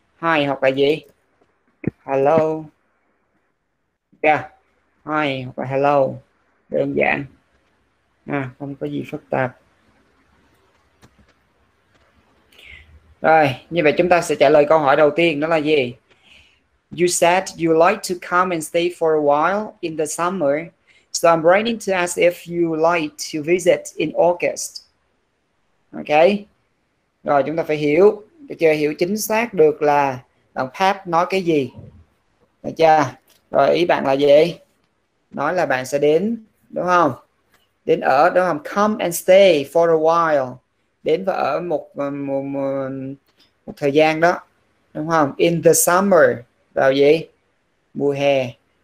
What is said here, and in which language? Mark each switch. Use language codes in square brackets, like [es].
[vi] Hi hoặc là gì? Hello. Yeah. Hi và hello. Đơn giản. À, không có gì phức tạp. Rồi, như vậy chúng ta sẽ trả lời câu hỏi đầu tiên, đó là gì? [en] You said you like to come and stay for a while in the summer. So I'm writing to ask if you like to visit in August. Okay. [vi] Rồi, chúng ta phải hiểu, để chưa hiểu chính xác được là bạn Pat nói cái gì. Được chưa? Rồi ý bạn là gì? Nói là bạn sẽ đến, đúng không? Đến ở, đúng không? [en] Come and stay for a while. [vi] Đến và ở một thời gian đó, đúng không? [en] In the summer. [vi] Vào gì? Mùa hè.